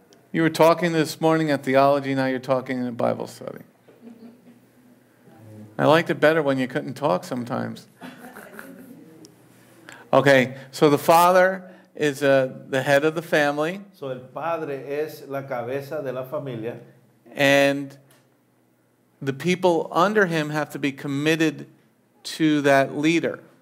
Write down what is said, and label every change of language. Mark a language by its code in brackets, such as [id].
[en] You were talking this morning at theology, now you're talking in a Bible study. I liked it better when you couldn't talk sometimes. Okay, so the father is the head of the family. [es] So el padre es la cabeza de la familia. [en] And the people under him have to be committed to that leader.